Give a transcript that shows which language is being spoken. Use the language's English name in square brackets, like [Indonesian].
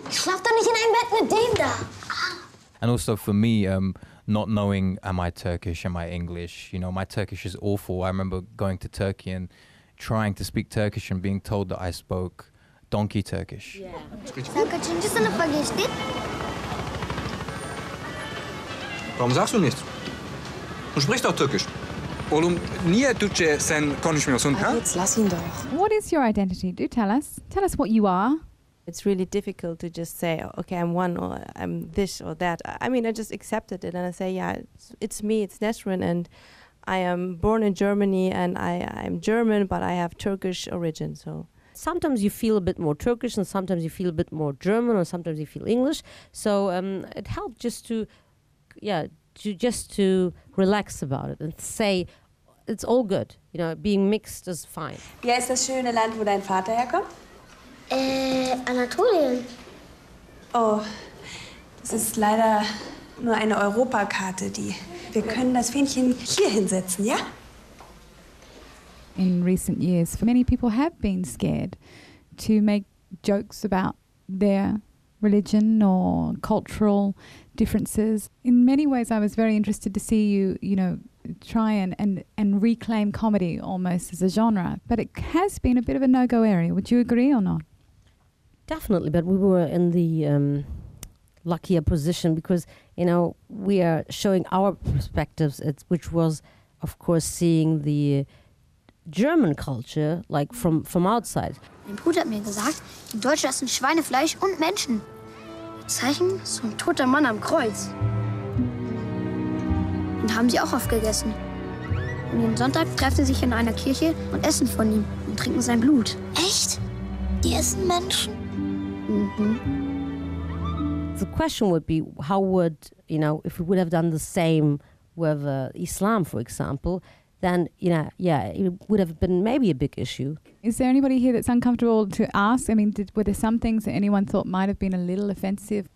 [German] Ich schlaf doch nicht in einem Bett mit dem da. [English] And also for me, not knowing, am I Turkish, am I English? You know, my Turkish is awful. I remember going to Turkey and trying to speak Turkish and being told that I spoke donkey Turkish. Yeah. [German] Warum sagst du nichts? Du sprichst auch Türkisch. [English] What is your identity? Do tell us. Tell us what you are. It's really difficult to just say, okay, I'm one or I'm this or that. I mean, I just accepted it and I say, yeah, it's me, it's Nesrin, and I am born in Germany and I'm German, but I have Turkish origin. So sometimes you feel a bit more Turkish and sometimes you feel a bit more German or sometimes you feel English. So it helped just to, yeah, to relax about it and say it's all good, you know, being mixed is fine. [German] Wie heißt das schöne Land, wo dein Vater herkommt? Anatolien. Oh, das ist leider nur eine Europakarte, die wir können das Fähnchen hier hinsetzen, ja? [English] In recent years, many people have been scared to make jokes about their religion or cultural differences. In many ways, I was very interested to see you, you know, try and reclaim comedy almost as a genre. But it has been a bit of a no-go area. Would you agree or not? Definitely. But we were in the luckier position because, you know, we are showing our perspectives, which was, of course, seeing the German culture, like from outside. [German] Mein Bruder hat mir gesagt, die Deutschen essen Schweinefleisch und Menschen. Zeichen, so ein toter Mann am Kreuz. Und haben sie auch aufgegessen. Und jeden Sonntag treffen sie sich in einer Kirche und essen von ihm und trinken sein Blut. Echt? Die essen Menschen? Mhm. [English] The question would be, how would, you know, if we would have done the same with Islam, for example, then, you know, yeah, it would have been maybe a big issue. Is there anybody here that's uncomfortable to ask? I mean, were there some things that anyone thought might have been a little offensive?